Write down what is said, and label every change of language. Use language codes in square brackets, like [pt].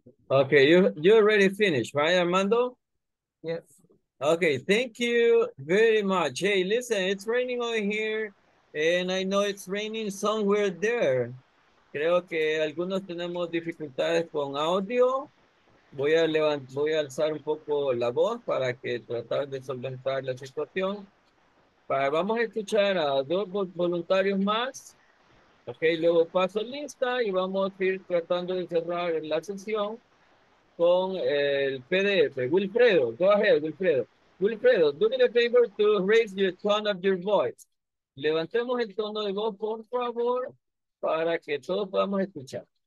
[en] Okay, you already finished, right, Armando? Yes. Okay, thank you very much. Hey, listen, it's raining over here, and I know it's raining somewhere there. [es] Creo que algunos tenemos dificultades con audio. Voy a alzar un poco la voz para que tratar de solventar la situación. Vamos a escuchar a dos voluntarios más. Okay, luego paso lista y vamos a ir tratando de cerrar la sesión con el PDF. [en] Wilfredo, go ahead, Wilfredo. Wilfredo, do me the favor to raise the tone of your voice. [es] Levantemos el tono de voz, por favor, para que todos podamos escuchar.